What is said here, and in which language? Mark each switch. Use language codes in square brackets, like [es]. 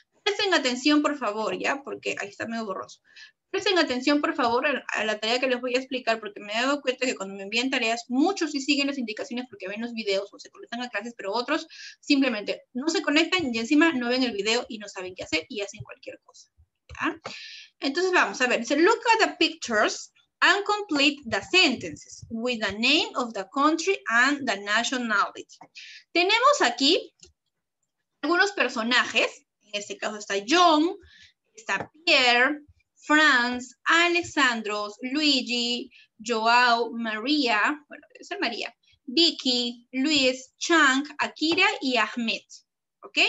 [es] Presten atención, por favor, ¿ya? Porque ahí está medio borroso. Presten atención, por favor, a la tarea que les voy a explicar, porque me he dado cuenta que cuando me envían tareas, muchos sí siguen las indicaciones porque ven los videos o se conectan a clases, pero otros simplemente no se conectan y encima no ven el video y no saben qué hacer y hacen cualquier cosa, ¿ya? Entonces, vamos a ver. [en] Dice, look at the pictures and complete the sentences with the name of the country and the nationality. [es] Tenemos aquí algunos personajes, en este caso está John, está Pierre, Franz, Alexandros, Luigi, Joao, María, bueno, debe ser María, Vicky, Luis, Chang, Akira y Ahmed. ¿Ok?